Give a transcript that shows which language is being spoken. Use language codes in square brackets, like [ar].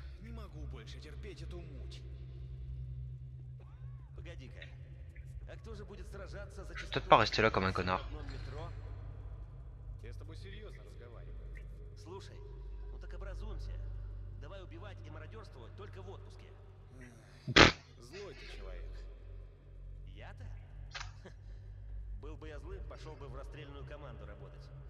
[ru] Не могу больше терпеть эту муть. Погоди-ка. А кто же будет сражаться за... [fr] Je vais peut-être pas rester là comme un connard. [ru] Я с тобой серьезно разговариваю. Слушай, ну так образуемся. Давай убивать и мародерствовать только в отпуске. Был бы я злым, пошел бы в расстрельную команду работать.